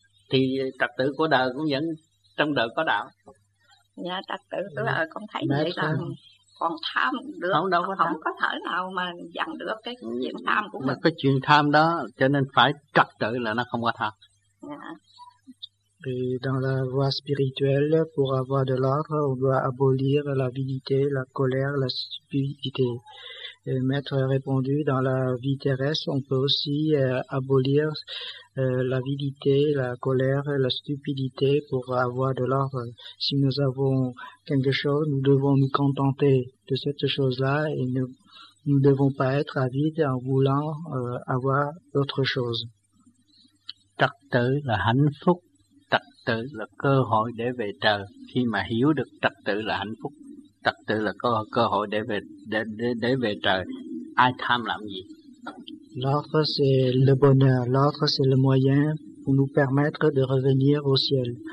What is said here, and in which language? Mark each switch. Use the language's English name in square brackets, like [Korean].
[Vietnamese] thì trật tự của đời cũng vẫn trong đời có đạo. Dạ, trật tự của đời con thấy mệt vậy là còn tham được, không, đâu có, không có thể nào mà dặn được cái chuyện tham của mình. Mà cái chuyện tham đó, cho nên phải trật tự là nó không có tham. Dạ. [French] Et dans la voie spirituelle, pour avoir de l'ordre, on doit abolir l'avidité, la colère, la stupidité. Et maître a répondu, dans la vie terrestre, on peut aussi abolir l'avidité, la colère, la stupidité pour avoir de l'ordre. Si nous avons quelque chose, nous devons nous contenter de cette chose-là et nous ne devons pas être avides en voulant avoir autre chose. [Vietnamese] Trật tự là hạnh phúc, trật tự là cơ hội để về trời. Khi mà hiểu được trật tự là hạnh phúc, trật tự là cơ hội để về trời, ai tham làm gì? [French] L'ordre, c'est le bonheur. L'ordre, c'est le moyen pour nous permettre de revenir au ciel.